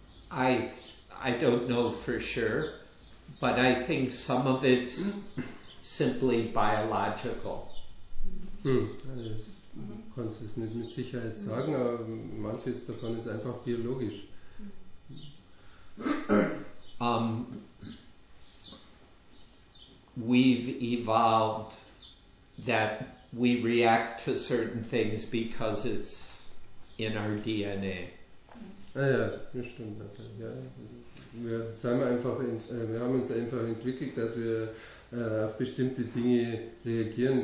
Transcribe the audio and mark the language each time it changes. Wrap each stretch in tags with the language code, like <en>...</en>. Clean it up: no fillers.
<en>I don't know for sure, but I think some of it's simply biological.</en> <de>Ich konnte es nicht mit Sicherheit sagen, aber manches davon ist einfach biologisch.</de> <en>We've evolved that we react to certain things because it's in our DNA.</en> <de>Wir sagen einfach, wir haben uns einfach entwickelt, dass wir auf bestimmte Dinge reagieren.</de>